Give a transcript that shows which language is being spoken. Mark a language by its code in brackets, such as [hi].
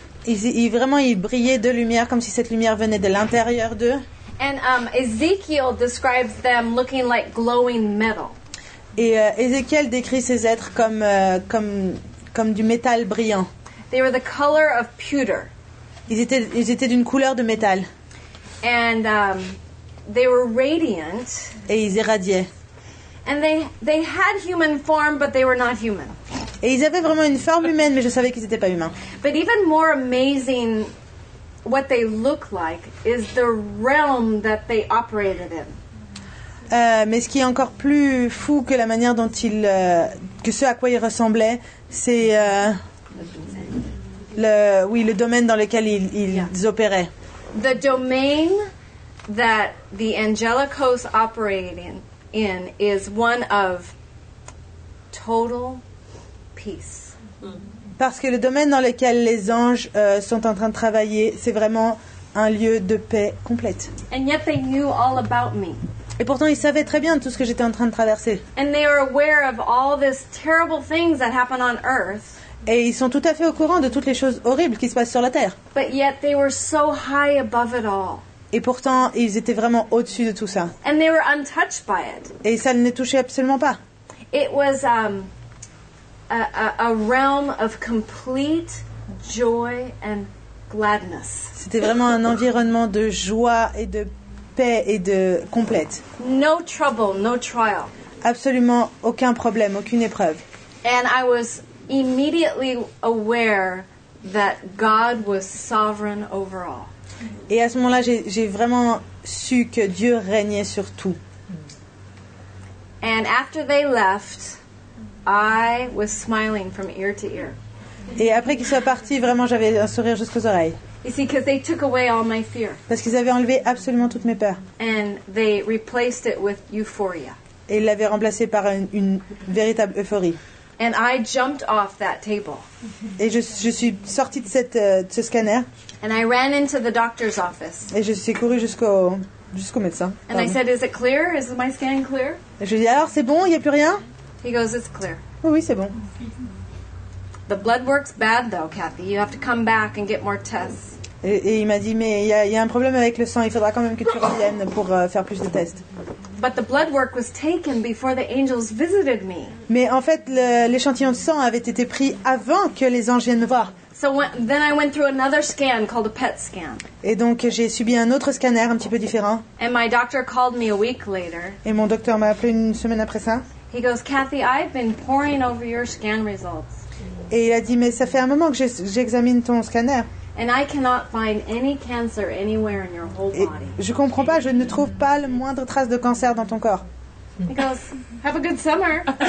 [fr] Ils brillaient de lumière comme si cette lumière venait de l'intérieur d'eux. [en] And Ezekiel describes them looking like glowing metal. [fr] Et Ézéchiel décrit ces êtres comme du métal brillant. [en] They were the color of pewter. [fr] Ils étaient d'une couleur de métal. [en] And they were radiant. [fr] Et ils irradiaient. [en] And they had human form, but they were not human. [fr] Et ils avaient vraiment une forme humaine, mais je savais qu'ils n'étaient pas humains. [en] But even more amazing, what they look like is the realm that they operated in. [fr] Mais ce qui est encore plus fou que la manière dont ils que ce à quoi ils ressemblaient, c'est le domaine dans lequel ils opéraient. [en] The domain that the angelic hosts operated in is one of total peace. [fr] Parce que le domaine dans lequel les anges sont en train de travailler, c'est vraiment un lieu de paix complète. [en] And yet they knew all about me. [fr] Et pourtant ils savaient très bien tout ce que j'étais en train de traverser. [en] And they are aware of all these terrible things that happen on earth. [fr] Et ils sont tout à fait au courant de toutes les choses horribles qui se passent sur la terre. [en] But yet they were so high above it all. [fr] Et pourtant, ils étaient vraiment au-dessus de tout ça. [en] And they were untouched by it. [fr] Et ça ne les touchait absolument pas. [en] It was a realm of complete joy and gladness. [fr] C'était vraiment un environnement de joie et de paix et de complète. [en] No trouble, no trial. [fr] Absolument aucun problème, aucune épreuve. [en] And I was immediately aware that God was sovereign over all. [fr] Et à ce moment-là, j'ai vraiment su que Dieu régnait sur tout. [en] And after they left, I was smiling from ear to ear. [fr] Et après qu'ils soient partis, vraiment, j'avais un sourire jusqu'aux oreilles. [en] You see, 'cause they took away all my fear. [fr] Parce qu'ils avaient enlevé absolument toutes mes peurs. [en] And they replaced it with euphoria. [fr] Et ils l'avaient remplacé par une véritable euphorie. [en] And I jumped off that table. [fr] Et je suis sortie de ce scanner. [en] And I ran into the doctor's office. [fr] Et je suis courue jusqu'au médecin. [en] And pardon. I said, "Is it clear? Is my scan clear?" [fr] Et je dis, alors c'est bon, il y a plus rien? [en] He goes, "It's clear." [fr] Oui, c'est bon. [en] The blood work's bad though, Kathy. You have to come back and get more tests. [fr] Et il m'a dit, mais il y a un problème avec le sang. Il faudra quand même que tu reviennes pour faire plus de tests. [en] But the blood work was taken before the angels visited me. [fr] Mais en fait, l'échantillon de sang avait été pris avant que les anges viennent me voir. [en] So then I went through another scan called a PET scan. [fr] Et donc j'ai subi un autre scanner un petit peu différent. [en] And my doctor called me a week later. [fr] Et mon docteur m'a appelé une semaine après ça. [en] He goes, "Kathy, I've been poring over your scan results." [fr] Et il a dit, mais ça fait un moment que j'examine ton scanner. [en] And I cannot find any cancer anywhere in your whole body. [fr] Je comprends pas, je ne trouve pas le moindre trace de cancer dans ton corps. [en] He goes, have a good summer.